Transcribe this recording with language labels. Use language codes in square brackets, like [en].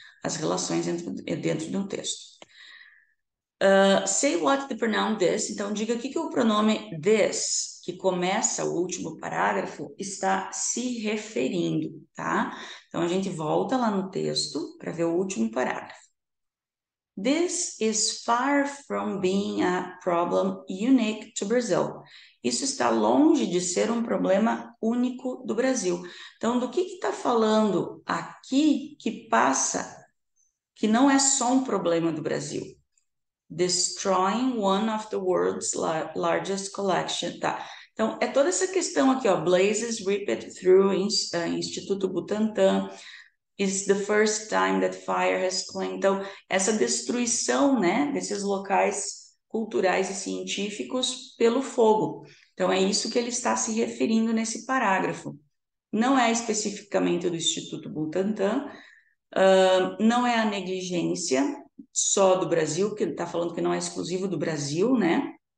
[pt] As relações dentro de um texto. [en] Say what the pronoun this, [pt] então diga o que o pronome this, que começa o último parágrafo, está se referindo, tá? Então a gente volta lá no texto para ver o último parágrafo. [en] This is far from being a problem unique to Brazil. [pt] Isso está longe de ser um problema único do Brasil. Então, do que está falando aqui que passa, que não é só um problema do Brasil? [en] Destroying one of the world's largest collection. [pt] Tá. Então, é toda essa questão aqui, ó. [en] Blazes ripped through Instituto Butantan. It's the first time that fire has claimed. [pt] Então, essa destruição, né, desses locais culturais e científicos pelo fogo. Então, é isso que ele está se referindo nesse parágrafo. Não é especificamente do Instituto Butantan, não é a negligência só do Brasil, que ele está falando que não é exclusivo do Brasil, né?